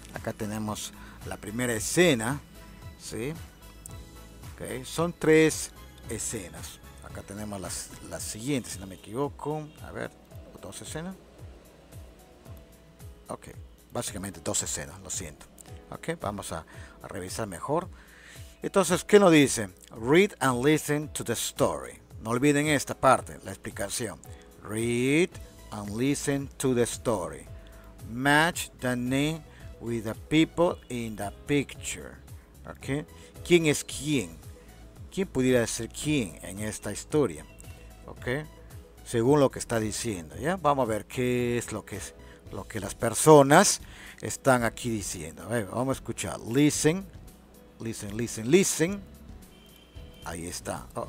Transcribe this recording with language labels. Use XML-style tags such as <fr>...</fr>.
<es>Acá tenemos la primera escena, ¿sí? Okay. Son tres escenas. Acá tenemos las siguientes, si no me equivoco. A ver, dos escenas. Ok, básicamente dos escenas, lo siento. Ok, vamos a revisar mejor. Entonces, ¿qué nos dice?</es> <en>Read and listen to the story.</en> <es>No olviden esta parte, la explicación.</es> <en>Read and listen to the story. Match the name with the people in the picture.</en> <es>Okay. ¿Quién es quién? ¿Quién pudiera ser quién en esta historia? Okay. Según lo que está diciendo, ¿ya? Vamos a ver qué es lo que las personas están aquí diciendo. A ver, vamos a escuchar. Listen.</es> <en>Listen, listen, listen.</en> <es>Ahí está.</es>